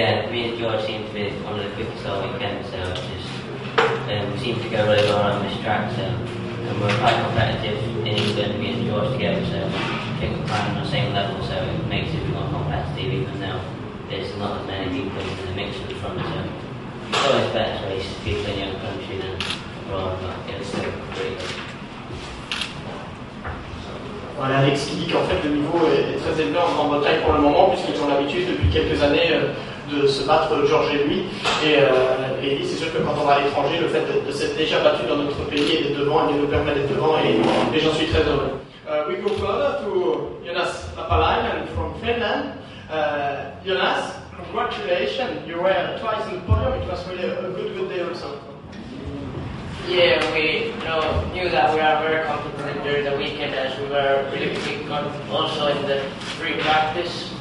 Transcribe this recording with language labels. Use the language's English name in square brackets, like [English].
[English] Me and George seem to be one of the quickest all weekend, so it just seemed to go really well on this track, so and we're quite competitive in England, me and George together, so I think we're playing on the same level, so it makes it more competitive even though there's not as many people in the mix in front, so it's always better to race people in your country than abroad, but it's so great. [French] Voilà, Alex qui dit qu'en fait le niveau est très élevé en Grande-Bretagne pour le moment, puisqu'ils ont l'habitude depuis quelques années de se battre, George et lui. Et c'est sûr que quand on va à l'étranger, le fait de s'être déjà battu dans notre pays et d'être devant, il nous permet d'être devant et j'en suis très heureux. [English] We go further to Jonas Lapalainen from Finland. Jonas, congratulations, you were twice in the podium, it was really a good day also. Yeah, we knew that we are very comfortable during the weekend as we were really picking also in the free practice.